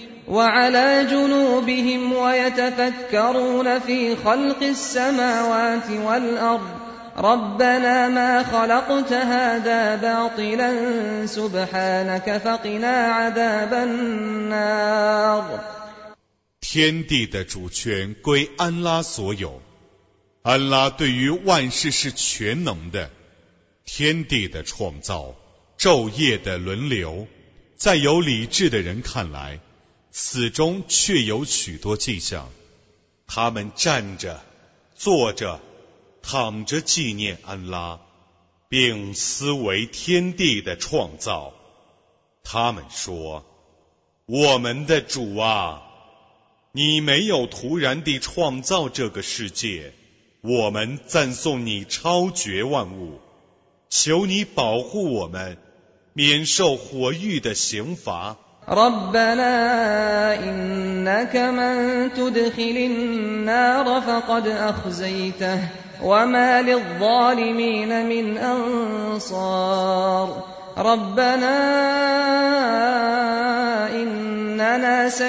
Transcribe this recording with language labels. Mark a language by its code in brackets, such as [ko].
[ar] وعلى جنوبهم ويتفكرون في خلق السماوات والأرض ربنا ما خلقت هذا باطلا سبحانك فقنا عذاب النار [zh] 天地的主权归安拉所有，安拉对于万事是全能的，天地的创造，昼夜的轮流，在有理智的人看来，此中却有许多迹象，他们站着，坐着躺着纪念安拉，并思维天地的创造。他们说：“我们的主啊，你没有突然地创造这个世界，我们赞颂你超绝万物，求你保护我们，免受火狱的刑罚。” [ar] ربنا إنك من تدخل النار فقد أخزيته وما للظالمين من أنصار ربنا إننا